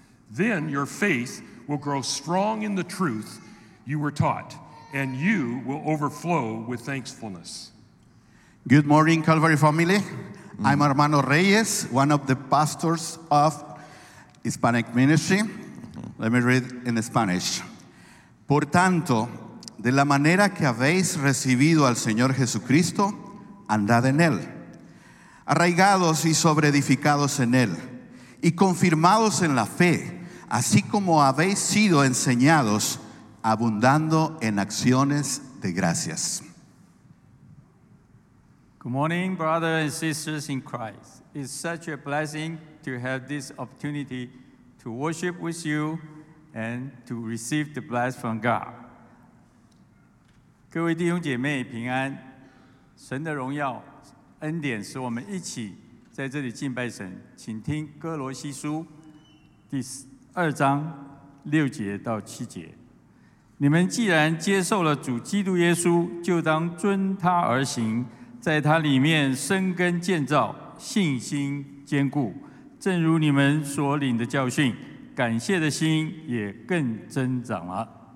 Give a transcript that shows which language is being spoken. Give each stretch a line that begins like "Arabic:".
English: Then your faith will grow strong in the truth you were taught, and you will overflow with thankfulness. Good morning, Calvary family. I'm Armando Reyes, one of the pastors of Hispanic Ministry. Let me read in Spanish.
Spanish: Por tanto, de la manera que habéis recibido al Señor Jesucristo, andad en él, arraigados y sobreedificados en él, y confirmados en la fe, así como habéis sido enseñados, abundando en acciones de gracias.
English: Good morning, brothers and sisters in Christ. It's such a blessing to have this opportunity to worship with you and to receive the blessing from God.
Chinese: 各位弟兄姐妹平安，神的荣耀恩典使我们一起在这里敬拜神，请听哥罗西书第二章六节到七节。你们既然接受了主基督耶稣，就当遵他而行，在他里面生根建造，信心坚固，正如你们所领的教训，感谢的心也更增长了。